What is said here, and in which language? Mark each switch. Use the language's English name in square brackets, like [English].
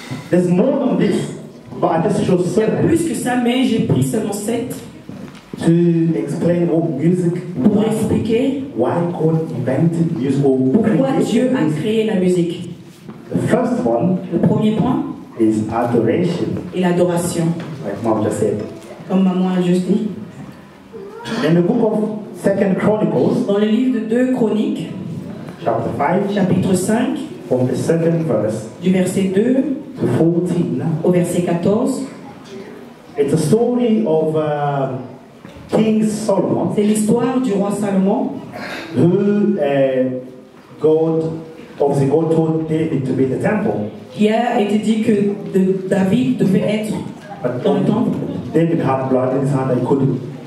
[English] There's more than this, but I just chose 7. [French] Il y a plus que ça, mais j'ai pris seulement 7. [English] To explain what music. [French] Pour expliquer. [English] Why God invented music. [French] Pourquoi Dieu a créé la musique. [English] The first one. [French] Le premier point. [English] Is adoration. [French] Et l'adoration. [English] Like mom just said. [French] Comme maman a juste dit. [English] In the book of 2 Chronicles, [French] dans le livre de 2 Chroniques, [English] chapter 5, [French] chapitre 5, [English] from the second verse, [French] du verset 2 [English] to 14, [French] au verset 14, [English] it's a story of King Solomon. [French] C'est l'histoire du roi Salomon. [English] Who God told David to build the temple. [French] Qui a été dit que David devait être dans le temple. [English] David had blood in his hand and couldn't.